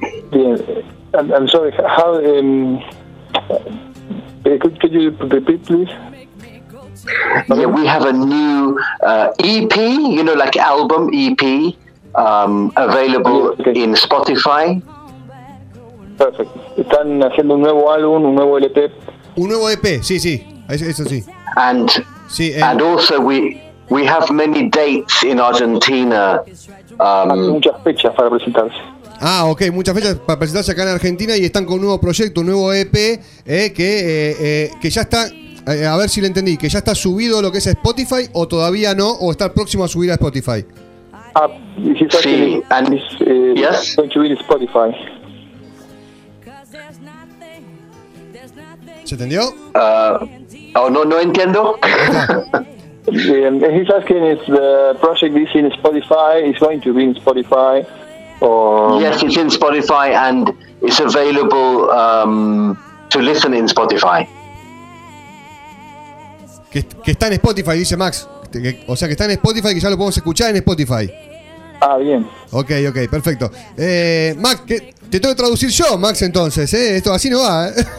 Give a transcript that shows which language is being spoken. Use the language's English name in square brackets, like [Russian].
[English] Yeah, I'm sorry. How? Could you repeat, please? Yeah, we have a new EP, you know, like album EP, available in Spotify. Perfect. [Spanish] Están haciendo un nuevo álbum, un nuevo LP. Un nuevo EP, sí, sí, eso sí. [English] And sí, and also we have many dates in Argentina. [Spanish] Muchas fechas para presentarse. Ah, ok, muchas fechas para presentarse acá en Argentina y están con un nuevo proyecto, un nuevo EP que ya está. A ver si le entendí, que ya está subido lo que es Spotify o todavía no, o está próximo a subir a Spotify. [English] Sí, and yes, going to be Spotify. [Spanish] ¿Se entendió? No entiendo. [English] He's asking if the project is in Spotify, is going to be in Spotify, or yes, it's in Spotify and it's available to listen in Spotify. [Spanish] Que está en Spotify, dice Max. O sea, que está en Spotify, que ya lo podemos escuchar en Spotify. Ah, bien. Ok, perfecto. Max, que te tengo que traducir yo, Max, entonces. Esto así no va.